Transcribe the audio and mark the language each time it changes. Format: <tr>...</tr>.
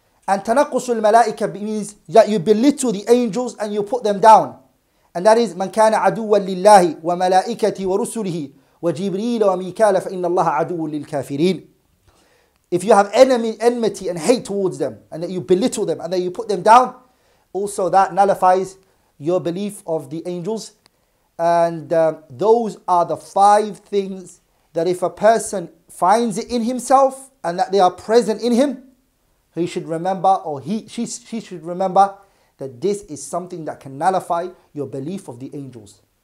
<en>And</en> <ar>تنقص الملائكة</ar> <en>means that you belittle the angels and you put them down. And that is</en> <ar>من كان عدوا لله وملائكته ورسله وجبريل وميكال فإن الله عدو للكافرين.</ar> <en>If you have enmity and hate towards them, and that you belittle them, and that you put them down, also that nullifies your belief of the angels. And those are the five things that if a person finds it in himself, and that they are present in him, he should remember, or she should remember, that this is something that can nullify your belief of the angels.</en>